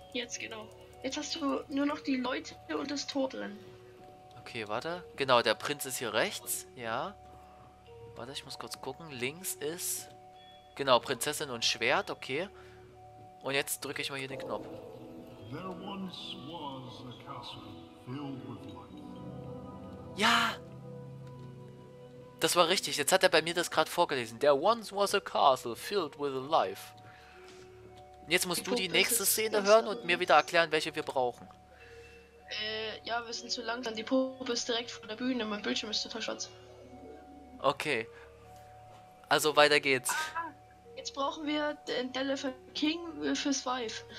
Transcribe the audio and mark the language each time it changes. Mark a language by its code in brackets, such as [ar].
[de] Jetzt, genau. Jetzt hast du nur noch die Leute und das Tor drin. Okay, warte. Genau, der Prinz ist hier rechts. Ja. Warte, ich muss kurz gucken. Links ist... Genau, Prinzessin und Schwert. Okay. Und jetzt drücke ich mal hier den Knopf. [en] There once was a castle filled with life. [de] Ja! Das war richtig, jetzt hat er bei mir das gerade vorgelesen. [en] There once was a castle filled with life. [de] Und jetzt musst du die nächste Szene hören und mir wieder erklären, welche wir brauchen. Ja, wir sind zu langsam. Die Puppe ist direkt vor der Bühne. Mein Bildschirm ist total schwarz. Okay. Also weiter geht's. Jetzt brauchen wir den Elephant King fürs Wife.